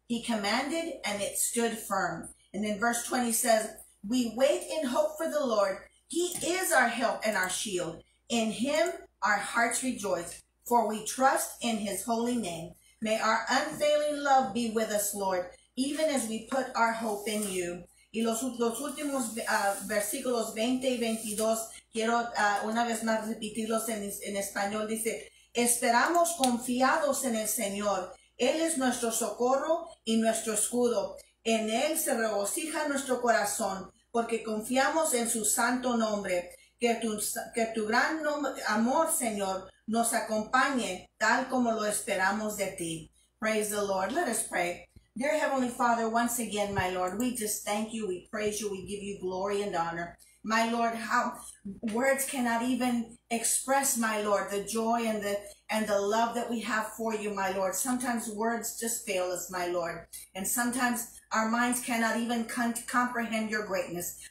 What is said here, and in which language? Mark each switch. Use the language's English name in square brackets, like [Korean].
[English] He commanded and it stood firm. And then verse 20 says, we wait in hope for the Lord. He is our help and our shield. In him our hearts rejoice, for we trust in his holy name. May our unfailing love be with us, Lord, even as we put our hope in you. [Spanish] Y los últimos versículos 20 y 22, quiero una vez más repetirlos en español. Dice, esperamos confiados en el Señor. Él es nuestro socorro y nuestro escudo. En él se regocija nuestro corazón, porque confiamos en su santo nombre. Que tu gran amor, Señor, nos acompañe tal como lo esperamos de ti. [English] Praise the Lord. Let us pray. Dear Heavenly Father, once again, my Lord, we just thank you, we praise you, we give you glory and honor. My Lord, how words cannot even express, my Lord, the joy and the love that we have for you, my Lord. Sometimes words just fail us, my Lord. And sometimes our minds cannot even comprehend your greatness.